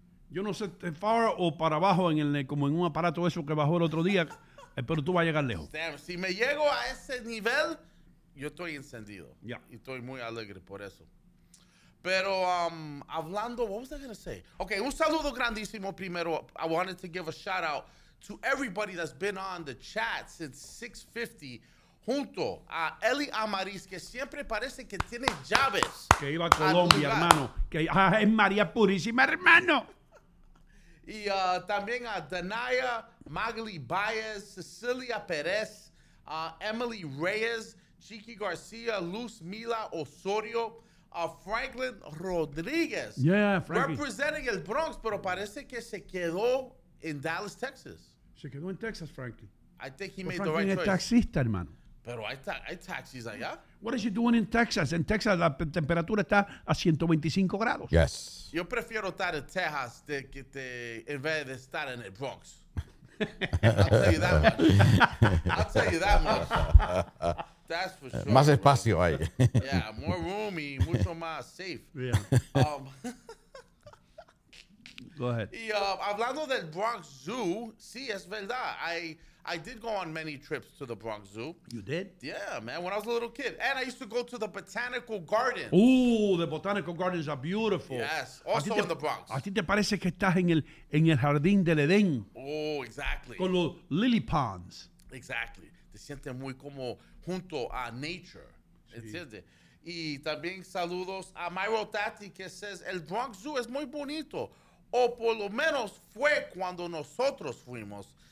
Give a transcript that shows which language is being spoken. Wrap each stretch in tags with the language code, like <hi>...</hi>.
<es>Yo no sé, far o para abajo, como en un aparato eso que bajó el otro día. Pero tú vas a llegar lejos. Damn, si me llego a ese nivel, yo estoy encendido.</es> <en>Yeah.</en> <es>Y estoy muy alegre por eso. Pero hablando,</es> <en>what was I going to say?</en> <es>Okay, un saludo grandísimo primero.</es> <en>I wanted to give a shout out to everybody that's been on the chat since 6:50.</en> <es>Junto a Eli Amariz, que siempre parece que tiene llaves. Que iba a Colombia, hermano. Que es María Purísima, hermano. Y también a Danaya, Magali Baez, Cecilia Perez, Emily Reyes, Chiqui García, Luz Mila Osorio, Franklin Rodriguez.</es> <en>Yeah, Frankie. Representing</en> <es>el Bronx, pero parece que se quedó en Dallas, Texas. Se quedó en Texas, Frankie.</es> <en>I think he made the right choice.</en> <es>Frankie es taxista, hermano. Pero hay taxis allá.</es> <en>What is he doing in Texas?</en> <es>En Texas la temperatura está a 125 grados.</es> <en>Yes.</en> <es>Yo prefiero estar en Texas en vez de estar en el Bronx.</es> <en>I'll tell you that much. That's for sure.</en> <es>Más espacio hay.</es> <en>Yeah, more room</en> <es>y mucho más</es> <en>safe. Yeah. Go ahead.</en> <es>Y hablando del Bronx Zoo, sí, es verdad.</es> <en>I did go on many trips to the Bronx Zoo. You did? Yeah, man, when I was a little kid. And I used to go to the Botanical Gardens. Ooh, the Botanical Gardens are beautiful. Yes, also in the Bronx.</en> <es>¿A ti te parece que estás en el Jardín del Edén?</es> <en>Oh, exactly.</en> <es>Con los</es> <en>lily ponds. Exactly.</en> <es>Te sientes muy como junto a nature, ¿entiendes? Sí. Y también saludos a Myro Tati, que says, el Bronx Zoo es muy bonito. O por lo menos fue cuando nosotros fuimos.</es>